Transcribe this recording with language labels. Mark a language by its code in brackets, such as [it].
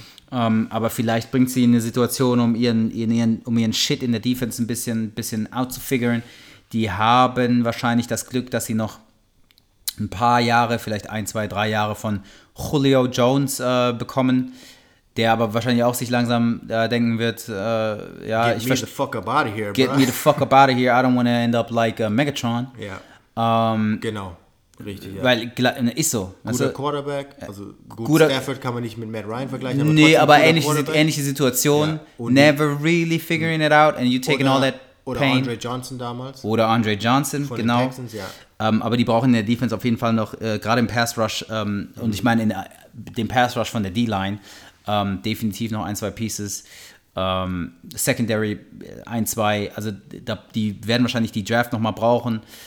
[de] Aber vielleicht bringt sie in eine Situation, um ihren Shit in der Defense ein bisschen outzufiguren. Die haben wahrscheinlich das Glück, dass sie noch ein paar Jahre, vielleicht ein, zwei, drei Jahre von Julio Jones bekommen, der aber wahrscheinlich auch sich langsam denken wird, ja, [en] get ich me the fuck up out of here, get bro. Me the fuck up out of here, I don't want to end up like Megatron. [de] Ja, yeah. Genau, richtig, ja. Weil, ist so. Also, guter Quarterback, also guter Stafford kann man nicht mit Matt Ryan vergleichen. Aber nee, aber ähnliche Situation, ja. [en] Never really figuring it out and you taking [de] oder, [en] all that [de] oder [en] pain. [de] Oder Andre Johnson damals. Oder Andre Johnson, von genau. Den Texans, ja. Aber die brauchen in der Defense auf jeden Fall noch, gerade im Pass Rush, und ich meine in dem Pass Rush von der D-Line, definitiv noch ein, zwei Pieces. Secondary, ein, zwei. Also da, die werden wahrscheinlich die Draft nochmal brauchen.